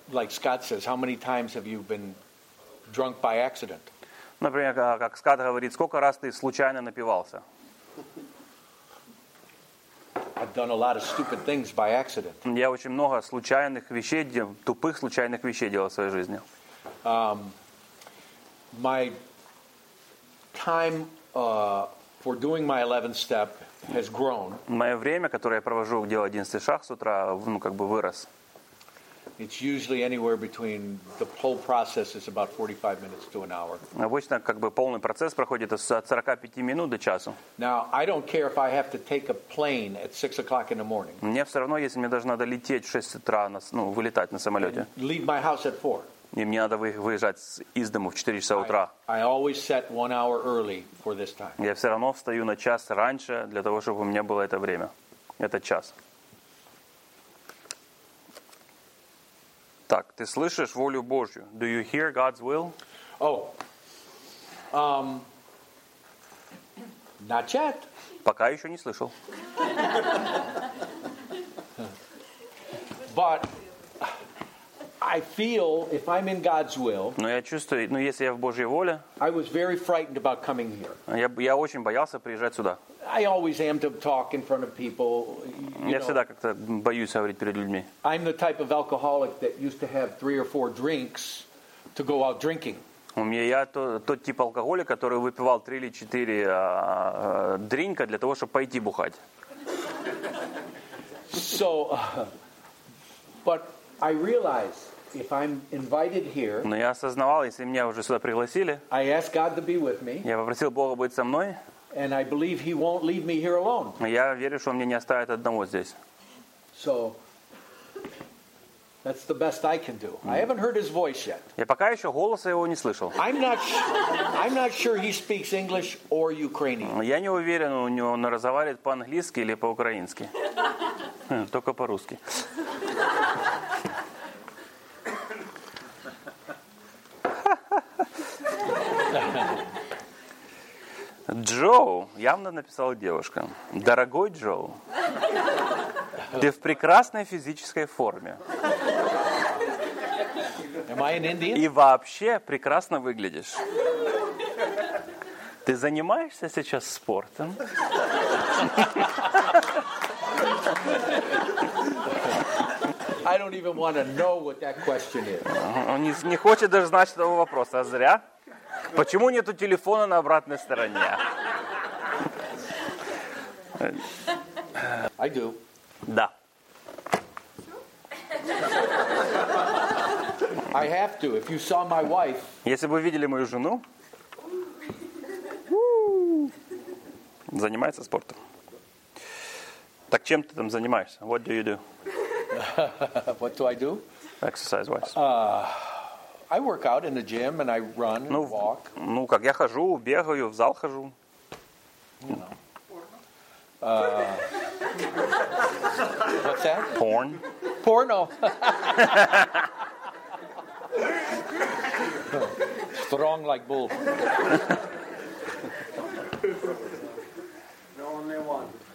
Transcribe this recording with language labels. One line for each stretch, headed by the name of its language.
English: Like Scott says, how many times have you been drunk by accident?
Russian: Например, как Скат говорит, сколько раз ты случайно напивался?
English: I've done a lot of stupid things by accident.
Russian: Я очень много случайных вещей, тупых случайных вещей делал в своей жизни.
English: My time for doing my 11th step has grown.
Russian: Мое время, которое я провожу, делая 11 шаг с утра, ну как бы вырос.
English: It's usually anywhere between the whole process is about 45 minutes to an hour.
Russian: Обычно как бы полный процесс проходит от 45 минут до часу.
English: Now I don't care if I have to take a plane at 6 o'clock in the morning.
Russian: Мне все равно, если мне даже надо лететь в 6 утра, вылетать на самолете.
English: Leave my house at 4.
Russian: И мне надо выезжать из дому в 4 часа утра.
English: I always set 1 hour early for this time.
Russian: Я все равно встаю на час раньше для того, чтобы у меня было это время, этот час. Так, ты слышишь волю Божью?
English: Do you hear God's will? Oh, not yet.
Russian: Пока еще не слышал.
English: But I feel if I'm in God's will.
Russian: Но я чувствую, если я в Божьей воле.
English: I was very frightened about coming here.
Russian: Я очень боялся приезжать сюда.
English: I always am to talk in front of people.
Russian: Я всегда как-то боюсь говорить перед людьми.
English: I'm the type of alcoholic that used to have 3 or 4 drinks to go out drinking.
Russian: У меня я тот тип алкоголика, который выпивал 3 или 4 дринка для того, чтобы пойти бухать.
English: So, but I realize if I'm invited here.
Russian: Но я осознавал, если меня уже сюда пригласили.
English: I asked God to be with me.
Russian: Я попросил Бога быть со мной.
English: And I believe he won't leave me here alone.
Russian: Я верю, что он меня не оставит одного здесь.
English: So that's the best I can do. I haven't heard his voice yet.
Russian: Я пока еще голоса его не слышал.
English: I'm not sure he speaks English or Ukrainian.
Russian: Я не уверен, у него он разговаривает по-английски или по-украински. Только по-русски. Джоу, явно написала девушка. Дорогой Джоу, ты в прекрасной физической форме.
English: Am I an Indian?
Russian: И вообще прекрасно выглядишь. Ты занимаешься сейчас спортом?
English: I don't even want to know what that question is.
Russian: Он не хочет даже знать этого вопроса, а зря. Почему нету телефона на обратной стороне?
English: I do.
Russian: Да.
English: I have to. If you saw my wife.
Russian: Если бы вы видели мою жену. Занимается спортом. Так чем ты там занимаешься?
English: What do you do? What do I do? Exercise wise. I work out in the gym and I run and walk.
Russian: Ну как я хожу, бегаю, в зал хожу.
English: What's that? Porn.
Russian: Porno.
English: Strong like bull. The only one.